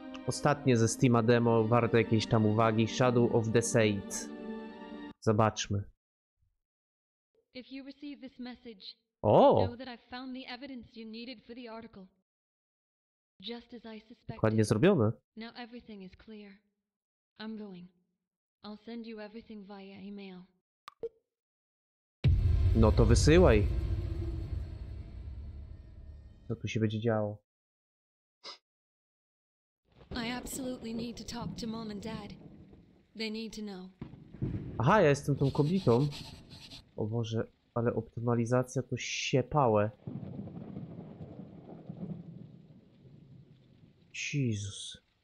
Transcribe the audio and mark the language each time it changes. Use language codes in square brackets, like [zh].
[pl] Ostatnie ze Steama demo, warto jakiejś tam uwagi. Shadow of the Saint. Zobaczmy. [en] If you receive this message, o! Know that I've found the evidence you needed for the article. Just as I suspected. [pl] Dokładnie zrobione. [en] Now everything is clear. I'm going. I'll send you everything via email. [pl] No to wysyłaj. Co tu się będzie działo? [en] I absolutely need to talk to mom and dad. They need to know. [pl] Aha, ja jestem tą kobietą. O Boże, ale optymalizacja to siepałe. Jezus.